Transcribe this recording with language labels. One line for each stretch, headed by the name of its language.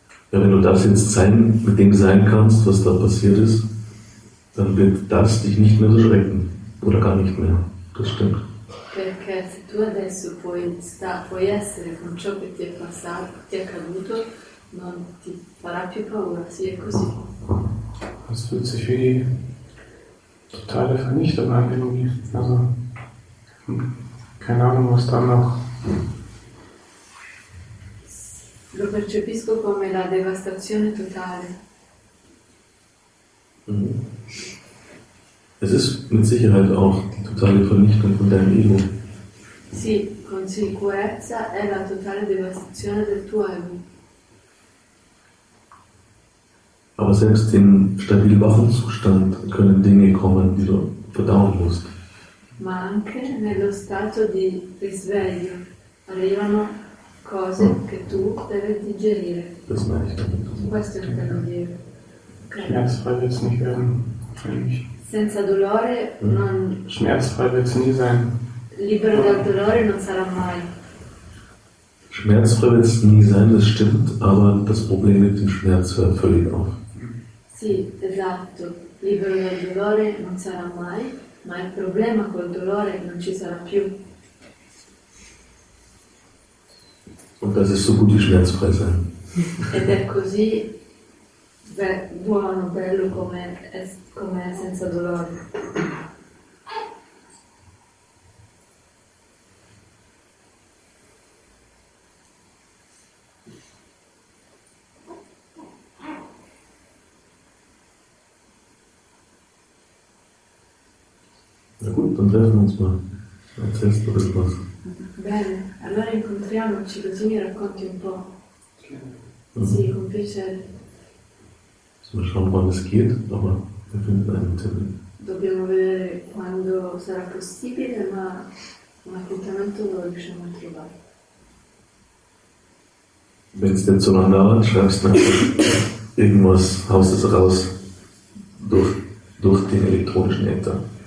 German: Ja, wenn du das jetzt sein, mit dem sein kannst, was da passiert ist, dann wird das dich nicht mehr so schrecken. Oder gar nicht mehr. Das stimmt.
Italian: Perché se tu adesso puoi essere con ciò che ti è passato, ti è accaduto, non ti farà più paura, sì, è così.
German: Das fühlt sich wie die totale Vernichtung an irgendwie. Also, keine Ahnung, was da noch.
Italian: Lo percepisco come la devastazione totale.
German: Es ist mit Sicherheit auch die totale Vernichtung von deinem Ego.
Italian: Sì, con sicurezza è la totale devastazione del tuo ego.
German: Aber selbst im stabil wachen Zustand können Dinge kommen, die du verdauen musst.
Italian: Ma anche nello stato di risveglio arrivano cose che tu devi digerire.
German: Das meine ich damit.
Italian: Questo è quello che voglio dire.
German: Schmerzfrei wird es nicht werden.
Italian: Senza dolore non.
German: Schmerzfrei wird es nie sein.
Italian: Libero dal dolore non sarà mai.
German: Schmerzfrei wird es nie sein, das stimmt, aber das Problem mit dem Schmerz hört völlig auf.
Italian: Sì, esatto. Libero dal dolore non sarà mai, ma il problema col dolore non ci sarà più.
German: Und das ist so gut wie schmerzfrei sein.
Italian: Ed è così buono, bello come come senza dolore.
German: Na gut, dann treffen wir uns mal. Erzählst du das was?
Italian: Bene, allora incontriamoci, così mi racconti un po'. Sì, con piacere.
German: Mal schauen, wann es geht, aber wir finden einen Termin.
Italian: Dobbiamo vedere quando sarà possibile, ma un appuntamento lo riusciamo a trovare.
German: Wenn es denn so lange dauert, schreibst du irgendwas, haust es raus durch den elektronischen Äther.